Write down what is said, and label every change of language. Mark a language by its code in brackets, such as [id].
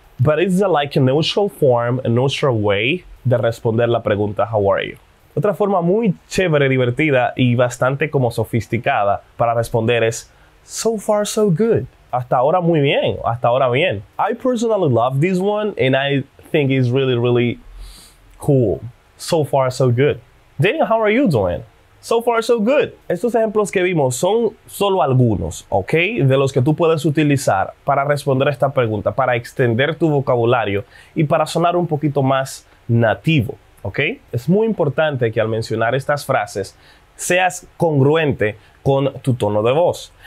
[en] But it's like a neutral form, a neutral way [es] de responder la pregunta, [en] how are you? [es] Otra forma muy chévere, divertida y bastante como sofisticada para responder es, [en] so far so good. [es] Hasta ahora muy bien, hasta ahora bien. [en] I personally love this one and I think it's really, really cool. So far, so good. Daniel, how are you doing? So far, so good. [es] Estos ejemplos que vimos son solo algunos, ¿ok? De los que tú puedes utilizar para responder esta pregunta, para extender tu vocabulario y para sonar un poquito más nativo, ¿ok? Es muy importante que al mencionar estas frases seas congruente con tu tono de voz.